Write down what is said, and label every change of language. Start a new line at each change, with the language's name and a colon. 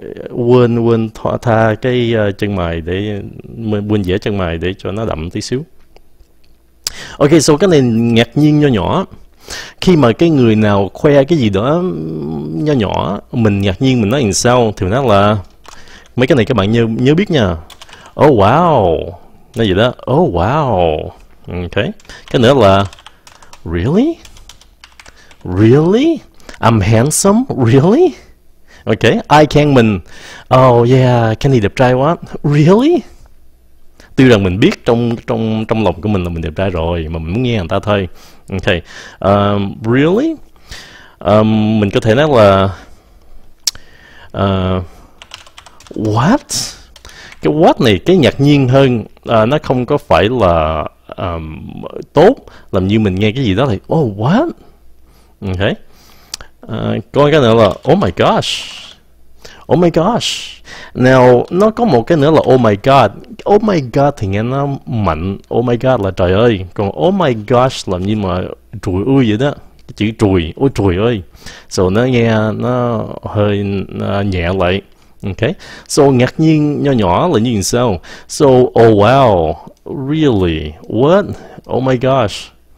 Vietnamese: Quên quên thoa tha cái chân mày để quên vẽ chân mày để cho nó đậm tí xíu. Ok, so cái này ngạc nhiên nho nhỏ. Khi khi mà cái người nào khoe cái gì đó nhỏ nhỏ mình ngạc nhiên mình nói làm sao thì nó là mấy cái này các bạn nhớ nhớ biết nha.
English: Oh wow,
Vietnamese: nó gì đó.
English: Oh wow, ok.
Vietnamese: Cái nữa là
English: really, really, I'm handsome, really. Ok, I can mình. Oh yeah, Kenny
Vietnamese: đẹp trai quá.
English: Really?
Vietnamese: Tuy rằng mình biết trong trong trong lòng của mình là mình đẹp trai rồi mà mình muốn nghe người ta thôi. Ok,
English: really?
Vietnamese: Mình có thể nói là what? Cái what này cái ngạc nhiên hơn, nó không có phải là tốt, làm như mình nghe cái gì đó thì
English: oh what?
Vietnamese: Ok, còn cái nữa là
English: oh my gosh,
Vietnamese: now nó có một cái nữa là
English: oh my god
Vietnamese: thì nghe nó mạnh, oh my god là trời ơi, còn oh my gosh làm như mà trùi ơi vậy đó, cái chữ trùi, ôi trùi ơi, so nó nghe nó hơi nhẹ lại. Ok, so ngạc nhiên nhỏ nhỏ là như sao?
English: So oh wow, really, what, oh my gosh.